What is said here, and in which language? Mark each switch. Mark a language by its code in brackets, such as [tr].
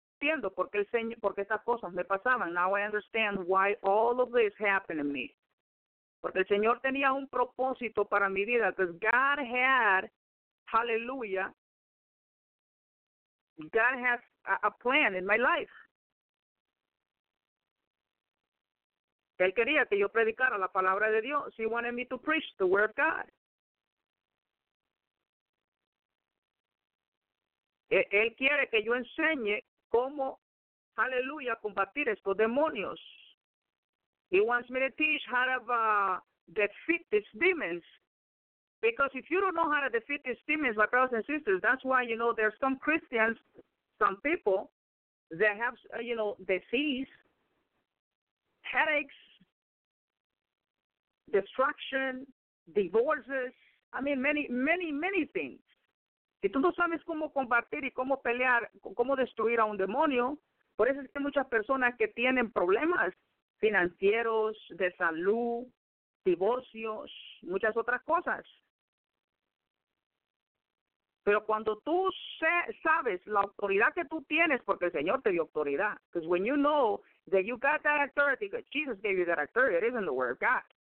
[es] Entiendo por qué el Señor, porque estas cosas me pasaban. [en] Now I understand why all of this happened to me. [es] Porque el Señor tenía un propósito para mi vida. [en] Because God had, hallelujah, God has a plan in my life. [es] Él quería que yo predicara la palabra de Dios. [en] He wanted me to preach the word of God. [es] Él quiere que yo enseñe cómo, aleluya, combatir estos demonios. [en] He wants me to teach how to defeat these demons. Because if you don't know how to defeat these demons, my brothers and sisters, that's why, you know, there's some Christians, some people that have, you know, disease, headaches, destruction, divorces. I mean, many, many, many things. [es] Si tú no sabes cómo combatir y cómo pelear, cómo destruir a un demonio, por eso es que hay muchas personas que tienen problemas financieros, de salud, divorcios, muchas otras cosas. Pero cuando tú sabes la autoridad que tú tienes, porque el Señor te dio autoridad, [en] because when you know that you got that authority, because Jesus gave you that authority, it isn't the word of God.